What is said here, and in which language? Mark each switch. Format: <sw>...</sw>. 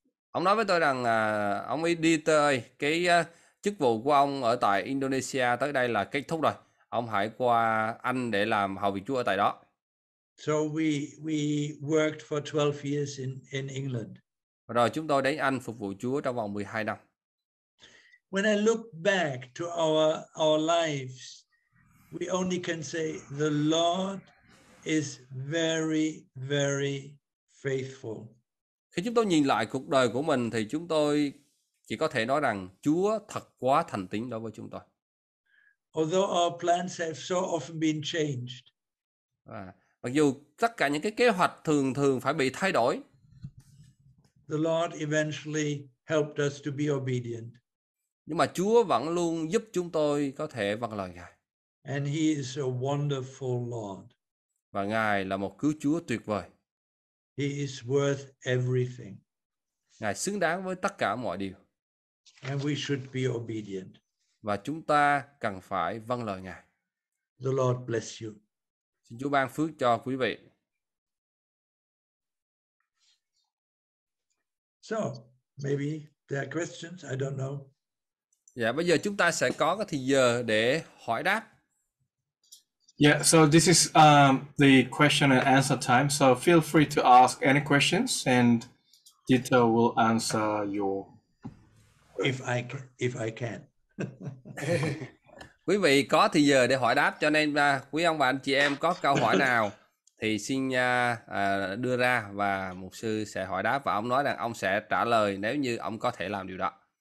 <vi>Ông nói với tôi rằng ông Dieter ơi, cái chức vụ của ông ở tại Indonesia tới đây là kết thúc rồi. Ông hãy qua Anh để làm hầu việc Chúa ở tại đó.</vi> <en>So we worked for 12 years in England.</en> <vi>Rồi chúng tôi đến Anh phục vụ Chúa trong vòng 12 năm.</vi> <en>When I look back to our lives, we only can say the Lord is very very faithful.</en> <vi>Khi chúng tôi nhìn lại cuộc đời của mình thì chúng tôi chỉ có thể nói rằng Chúa thật quá thành tín đối với chúng tôi.</vi> <en>Although our plans have so often been changed.</en> <vi>Mặc dù tất cả những cái kế hoạch thường thường phải bị thay đổi.</vi> <en>The Lord eventually helped us to be obedient.</en> <vi>Nhưng mà Chúa vẫn luôn giúp chúng tôi có thể vâng lời Ngài.</vi> <en>And he is a wonderful Lord.</en> <vi>Và Ngài là một cứu Chúa tuyệt vời.</vi> <en>He is worth everything.</en> <vi>Ngài xứng đáng với tất cả mọi điều.</vi> <en>And we should be obedient.</en> <vi>và chúng ta cần phải vâng lời Ngài.</vi> <en>The Lord bless you.</en> <vi>Xin Chúa ban phước cho quý vị.</vi> <en>So, maybe there are questions, I don't know.</en> <vi>Dạ, bây giờ chúng ta sẽ có cái thời giờ để hỏi đáp.</vi> <en>Yeah, so this is the question and answer time. So feel free to ask any questions and Dieter will answer your if I can.</en> <vi>Quý vị có thời giờ để hỏi đáp cho nên quý ông và anh chị em có câu hỏi nào thì xin đưa ra và mục sư sẽ hỏi đáp và ông nói rằng ông sẽ trả lời nếu như ông có thể làm điều đó.</vi>